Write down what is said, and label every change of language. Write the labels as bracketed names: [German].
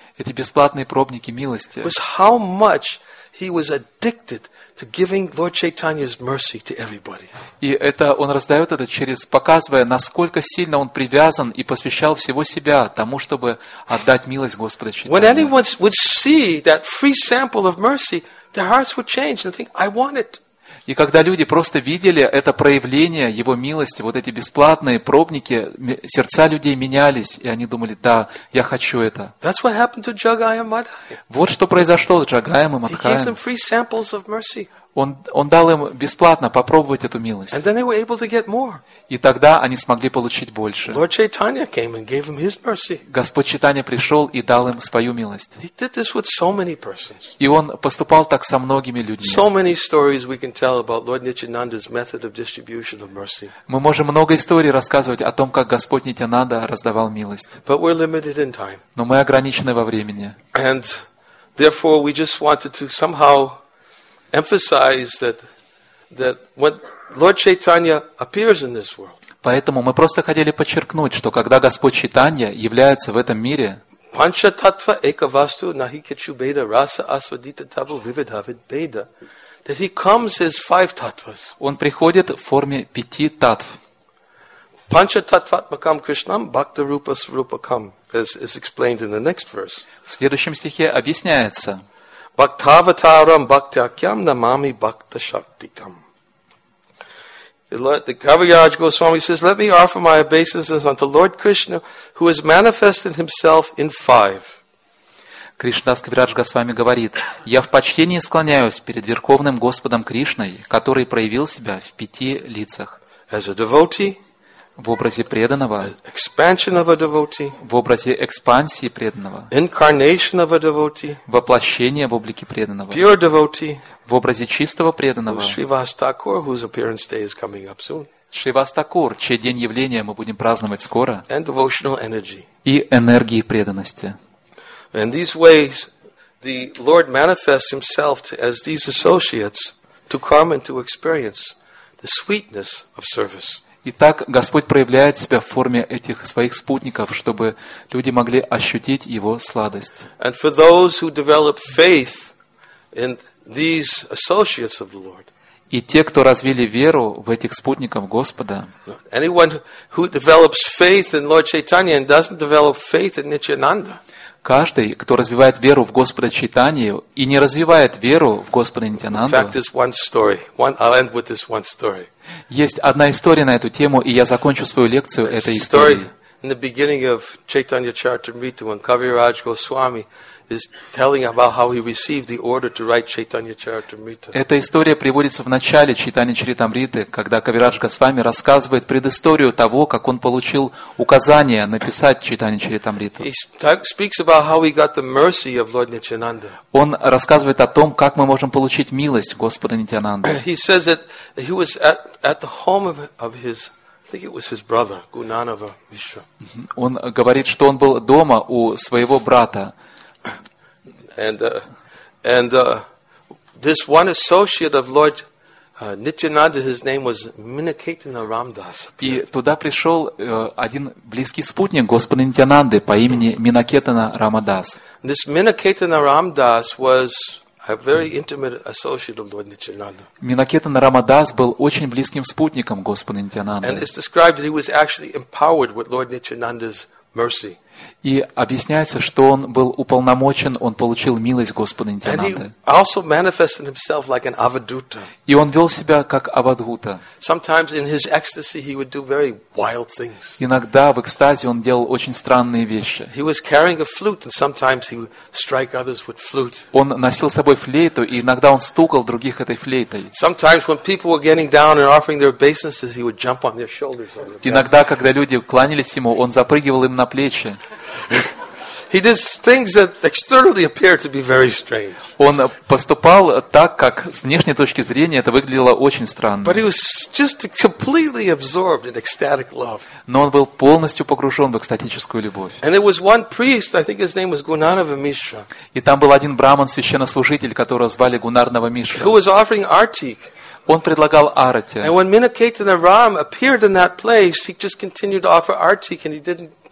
[Russian] Эти бесплатные пробники милости. [English] Was how much he was addicted to giving Lord Chaitanya's mercy to everybody. [Russian] И это он раздает это через показывая, насколько сильно он привязан и посвящал всего себя тому, чтобы отдать милость Господа Читания. [English] When anyone would see that free sample of mercy, their hearts would change and think, "I want it." [Russian] И когда люди просто видели это проявление Его милости, вот эти бесплатные пробники, сердца людей менялись, и они думали, да, я хочу это. [English] That's what happened to Jagaya Madhaya. [Russian] Вот что произошло с Джагаем и Мадхаем. [English] He gave them free samples of mercy. [Russian] Он дал им бесплатно попробовать эту милость. [English] And then they were able to get more. [Russian] И тогда они смогли получить больше. [English] Lord Chaitanya came and gave them his mercy. [Russian] Господь Читания пришел и дал им свою милость. [English] He did this with so many persons. [Russian] И он поступал так со многими людьми. [English] So many stories we can tell about Lord Nityananda's method of distribution of mercy. [Russian] Мы можем много историй рассказывать о том, как Господь Нитянанда раздавал милость. [English] But we're limited in time. [Russian] Но мы ограничены во времени. [English] And therefore we just wanted to somehow emphasize that when Lord Chaitanya appears in this world. [Russian] Поэтому мы просто хотели подчеркнуть, что когда Господь Чайтанья является в этом мире, [Sanskrit] Панча татва экавасту нахи кечу беда раса асвадита табу вивидхавид беда, [English] that he comes as five tattvas. [Russian] Он приходит в форме пяти татв. [Sanskrit] Панча татватмакам кришнам бхакта рупа сварупакам, [English] as is explained in the next verse. [Russian] В следующем стихе объясняется. [Sanskrit] Бхактаватарам бхактиакьям намами бхактишактитам. [English] The Kaviraj Goswami says, let me offer my obeisances unto Lord Krishna, who has manifested himself in five. [Russian] Кришнадас Кавирадж Госвами говорит, я в почтении склоняюсь перед Верховным Господом Кришной, который проявил себя в пяти лицах. [English] As a devotee, [Russian] в образе преданного, [English] expansion of a devotee, [Russian] в образе экспансии преданного, [English] incarnation of a devotee, [Russian] воплощение в облике преданного, [English] pure devotee, [Russian] в образе чистого преданного, [English] Shrivastakur, whose appearance day is coming up soon, [Russian] Shrivastakur, чей день явления мы будем праздновать скоро, [English] and devotional energy, [Russian] и энергии преданности. [English] In these ways, the Lord manifests himself as these associates to come and to experience the sweetness of service. [Russian] Итак, Господь проявляет себя в форме этих своих спутников, чтобы люди могли ощутить Его сладость. И те, кто развили веру в этих спутников Господа, каждый, кто развивает веру в Господа Чайтанью и не развивает веру в Господа Нитянанду, есть одна история на эту тему, и я закончу свою лекцию этой историей. [English] In the beginning of Chaitanya Charitamrita, when Kaviraj Goswami is telling about how he received the order to write Chaitanya Charitamrita. [Russian] Эта история приводится в начале Чайтанья Чаритамриты, когда Кавирадж Госвами рассказывает предысторию того, как он получил указание написать Чайтанья Чаритамриту. [English] He speaks about how he got the mercy of Lord Nityananda. [Russian] Он рассказывает о том, как мы можем получить милость Господа Нитянанды. [English] He says that he was at the home of his, I think it was his brother, Gunanava Mishra. [Russian] Он говорит, что он был дома у своего брата. [English] And this one associate of Lord Nityananda, his name was Miniketana Ramdas. [Russian] И туда пришел один близкий спутник Господа Нитянанды по имени Миникетана Рамадас. [English] This Miniketana Ramdas was a very intimate associate of Lord Nityananda. [Russian] Миникетана Рамадас был очень близким спутником Господа Нитянанды. [English] And it's described that he was actually empowered with Lord Nityananda's mercy. [Russian] И объясняется, что он был уполномочен, он получил милость Господа Нитянанды. [English] And he also manifested himself like an avadhuta. [Russian] И он вел себя как авадхута. [English] Sometimes in his ecstasy he would do very wild things. [Russian] Иногда в экстазе он делал очень странные вещи. [English] He was carrying a flute, and sometimes he would strike others with flute. [Russian] Он носил с собой флейту, и иногда он стукал других этой флейтой. [English] Sometimes when people were getting down and offering their obeisances, he would jump on their shoulders. [Russian] Иногда, когда люди кланялись ему, он запрыгивал им на плечи. [English] He did things that externally appear to be very strange. [Russian] Он поступал так, как с внешней точки зрения это выглядело очень странно. [English] But he was just completely absorbed in ecstatic love. [Russian] Но он был полностью погружен в экстатическую любовь. [English] And there was one priest, I think his name was Gunarnava Mishra. [Russian] И там был один браман, священнослужитель, которого звали Гунарнава Мишра. [English] Who was offering artik. [Russian] Он предлагал арати. [English] And when Miniketana Ram appeared in that place, he just continued to offer artik, and he didn't.